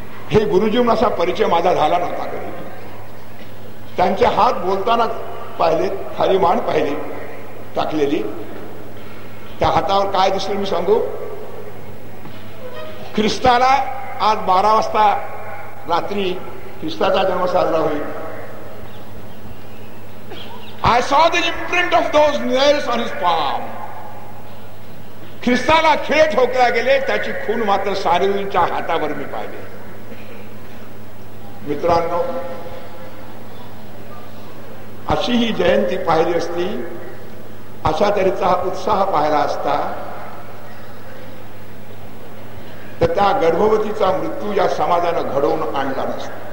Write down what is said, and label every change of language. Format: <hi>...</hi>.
<mr>हे गुरुजी म्हणून असा परिचय माझा झाला नव्हता कधी. त्यांचे हात बोलताना पाहिले, खाली मान पाहिली टाकलेली, त्या हातावर काय दिसलं मी सांगू. ख्रिस्ताला आज 12 वाजता रात्री ख्रिस्ताचा जन्म साजरा होईल.</mr> <en>I saw the imprint of those nails on his palm.</en> <mr>ख्रिस्ताला खेळ ठोकल्या गेले, त्याची खून मात्र सारेजींच्या हातावर मी पाहिले. मित्रांनो, अशी ही जयंती पाहिली असती, अशा तऱ्हेचा उत्साह पाहिला असता, तर त्या गर्भवतीचा मृत्यू या समाजानं घडवून आणला नसत.</mr>